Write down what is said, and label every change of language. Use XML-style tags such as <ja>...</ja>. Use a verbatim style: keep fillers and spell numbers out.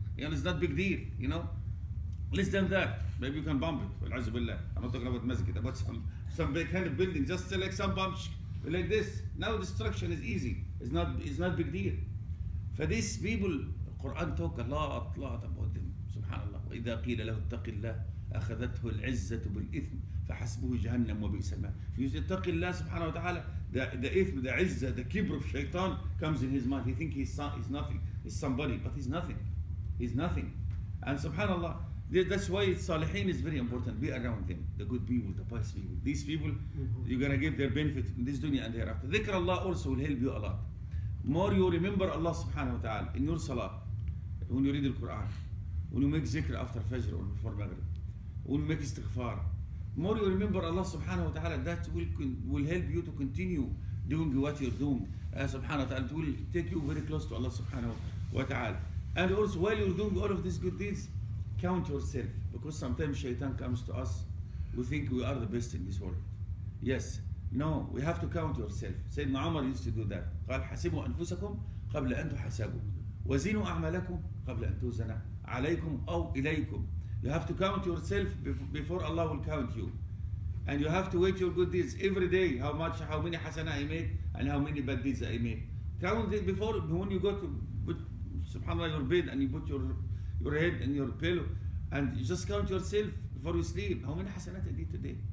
<en>You know, it's not big deal, you know. Less than that, maybe you can bomb it. I'm not talking about masjid, about some, some big kind of building, just like some bomb like this. Now destruction is easy. It's not, it's not big deal. For these people, Quran talk a lot, lot about them. Subhanallah.</en> <ar>وإذا قيل له اتق الله أخذته العزة بالإثم فحسبه جهنم وبئس المصير.</ar> <en>You</en> <ar>اتق الله سبحانه وتعالى.</ar> <en>The the إثم, the عزة, the kibr of shaitan comes in his mind. He thinks he's he's nothing. He's somebody, but he's nothing. He's nothing. And subhanallah. That's why Salihin is very important. Be around them, the good people, the pious people. These people, you're gonna get their benefit in this dunya and hereafter. Dhikr Allah also will help you a lot. More you remember Allah subhanahu wa ta'ala in your salah, when you read the Quran, when you make zikr after Fajr or before Maghrib, when you make istighfar, more you remember Allah subhanahu wa ta'ala, that will will help you to continue doing what you're doing. Uh, subhanahu wa ta'ala, it will take you very close to Allah subhanahu wa ta'ala. And also while you're doing all of these good deeds, count yourself, because sometimes shaitan comes to us, we think we are the best in this world. Yes, no, we have to count yourself. Sayyidina Umar used to do that.</en> <ar>قال حسبوا أنفسكم قبل أن تحسبوا وزنوا أعمالكم قبل أن توزن عليكم أو إليكم.</ar> <en>You have to count yourself before Allah will count you, and you have to weigh your good deeds every day. How much, how many hasana I make, and how many bad deeds I make. Count it before, when you go to put, subhanallah, your bed and you put your your head and your pillow, and you just count yourself before you sleep. How many hasanat I did today?</en>